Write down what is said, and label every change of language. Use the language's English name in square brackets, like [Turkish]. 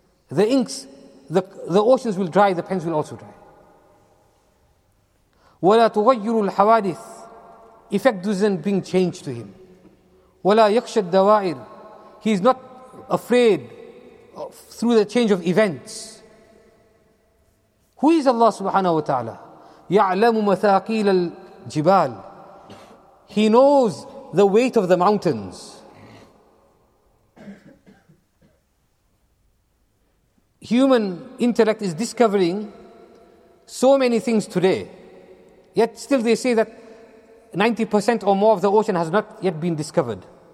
[English] The inks, the oceans will dry, the pens will also dry. [Arabic] وَلَا تُغَيِّرُ الْحَوَادِثِ. [English] Effect doesn't bring change to him. [Arabic] وَلَا يَخْشَ الدَّوَائِرِ. [English] He is not afraid through the change of events. Who is Allah subhanahu wa ta'ala? [Arabic] يَعْلَمُ مَثَاقِيلَ Jibal. [English] He knows the weight of the mountains. Human intellect is discovering so many things today. Yet still they say that 90% or more of the ocean has not yet been discovered.